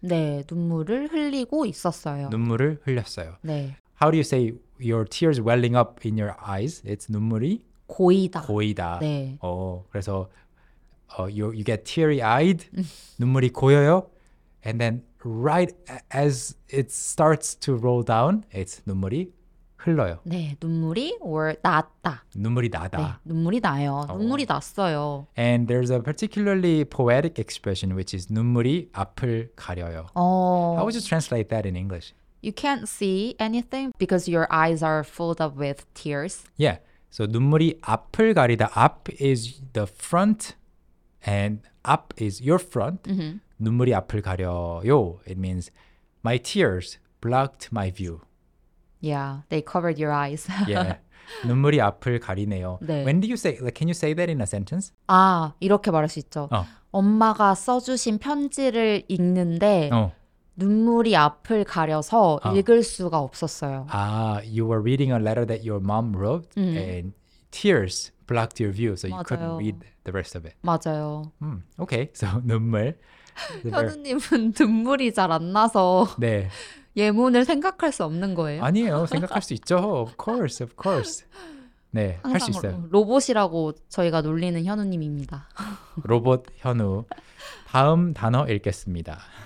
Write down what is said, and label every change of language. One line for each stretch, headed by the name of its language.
Korean: 네, 눈물을 흘리고 있었어요. 눈물을 흘렸어요. 네.
English: How do you say your tears welling up in your eyes?
Korean: It's 눈물이 고이다. 고이다. 네. 어, 그래서
English: you get teary-eyed,
Korean: 눈물이 고여요.
English: And then right as it starts to roll down, it's
Korean: 눈물이 흘러요. 네, 눈물이 or 났다. 눈물이 나다. 네, 눈물이 나요. 어. 눈물이 났어요.
English: And there's a particularly poetic expression, which is
Korean: 눈물이 앞을 가려요. 어.
English: How would you translate that in English? You can't see anything because your eyes are filled up with tears. Yeah, so
Korean: 눈물이 앞을 가리다.
English: 앞 is the front and up is your front. Mm-hmm.
Korean: 눈물이 앞을 가려요.
English: It means my tears blocked my view. Yeah, they covered your eyes.
Korean: Yeah, 눈물이 앞을 가리네요. 네.
English: When do you say, like, can you say that in a sentence?
Korean: 아, 이렇게 말할 수 있죠. 어. 엄마가 써주신 편지를 읽는데 어. 눈물이 앞을 가려서 어. 읽을 수가 없었어요.
English: 아, you were reading a letter that your mom wrote and tears blocked your view, so
Korean: 맞아요.
English: You couldn't read the rest of it.
Korean: 맞아요.
English: Okay, so 눈물.
Korean: 현우님은 눈물이 잘 안 나서 네. 예문을 생각할 수 없는 거예요. 아니에요. 생각할 수 있죠.
English: Of course, of course.
Korean: 네, 할 수 있어요. 로봇이라고 저희가 놀리는 현우님입니다. 로봇 현우. 다음 단어 읽겠습니다.